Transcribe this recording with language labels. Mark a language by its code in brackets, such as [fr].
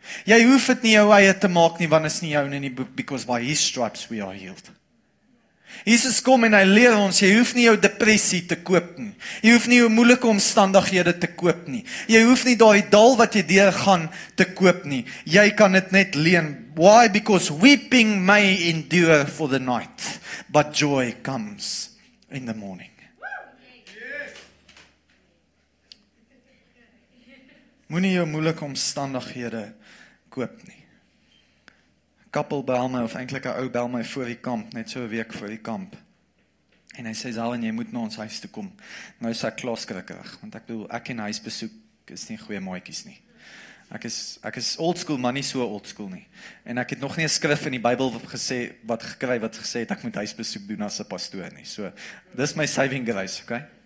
[af] Jy hoef dit nie jou eie te maak nie, want is nie jou nie, because by his stripes we are healed. Jesus kom en hy leer ons, jy hoef nie jou depressie te koop nie. Jy hoef nie jou moeilike omstandighede te koop nie. Jy hoef nie daai dal wat jy deur gaan te koop nie. Jy kan dit net leen. Why? [en] Because weeping may endure for the night, but joy comes in the morning. [af] Moenie jou moeilike omstandighede koop nie. Kappel bel my, of eintlik 'n ou bel my voor die kamp, net so 'n week voor die kamp. En hy sê, Zalen, jy moet na ons huis toe kom. Nou is ek klaskrikkerig, want ek bedoel, ek en huisbesoek is nie goeie maatjies nie. Ek is old school, maar nie so old school nie. En ek het nog nie 'n skrif in die Bybel wat gesê het, ek moet huisbesoek doen as 'n pastoor nie. So, dis my saving grace, okay?